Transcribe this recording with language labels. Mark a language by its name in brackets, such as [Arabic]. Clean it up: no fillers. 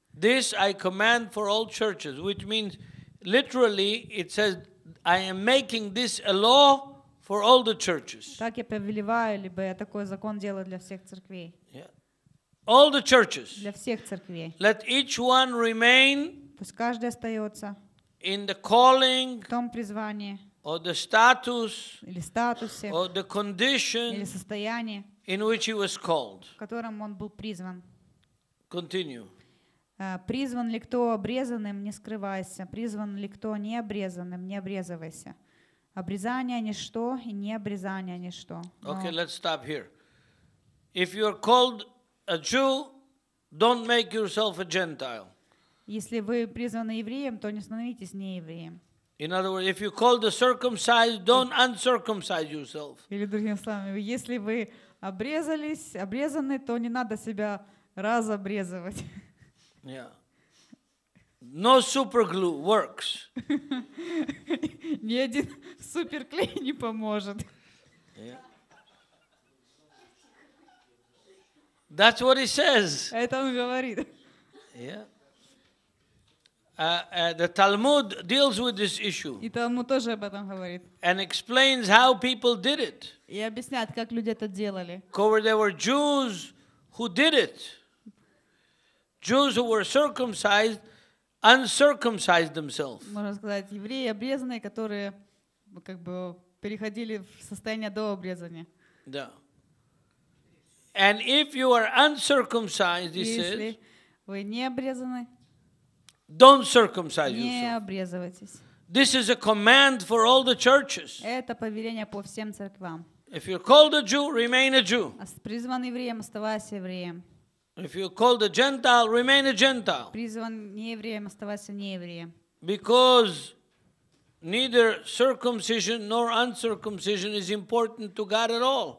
[English] This I command for all churches, which means literally it says I am making this a law for all the churches. [Russian] Так я повелеваю, либо я такой закон делаю для всех церквей. [English] Yeah. All the churches. [Russian] Для всех церквей. [English] Let each one remain. [Russian] Пусть каждый остается [English] in the calling, [Russian] в том призвании, [English] or the status, [Russian] или статусе, [English] or the condition, [Russian] или состояние, [English] in which he was called, [Russian] в котором он был призван. [English] Continue. [Russian] Призван ли кто обрезанным, не скрывайся. Призван ли кто не обрезанным, не обрезывайся. Обрезание ничто и не обрезание ничто. [English] Okay, let's stop here. If you are called a Jew, don't make yourself a Gentile. [Russian] Если вы призваны евреем, то не становитесь не евреем. [English] In other words, if you call the circumcised, don't uncircumcise yourself. [Russian] Или другими словами, если вы обрезались, обрезаны, то не надо себя разобрезывать. [English] Yeah. No super glue works. [Russian] Ни один суперклей не поможет. [English] Yeah. That's what he says. [Russian] Это он говорит. [English] Yeah. The Talmud deals with this issue. [Russian] И Талмуд тоже об этом говорит. [English] And explains how people did it. [Russian] И объясняет, как люди это делали. [English] There were Jews who did it. Jews who were circumcised, uncircumcised themselves. [Russian] Можно сказать, евреи обрезанные, которые как бы переходили в состояние до обрезания. Да. [English] And if you are uncircumcised, he says. [Russian] Если вы не обрезаны. [English] Don't circumcise yourself. [Russian] Не обрезывайтесь. [English] This is a command for all the churches. [Russian] Это повеление по всем церквам. [English] If you're called a Jew, remain a Jew. [Russian] Призван евреем, оставайся евреем. [English] If you're called a Gentile, remain a Gentile. [Russian] Призван не евреем, оставайся не евреем. [English] Because neither circumcision nor uncircumcision is important to God at all.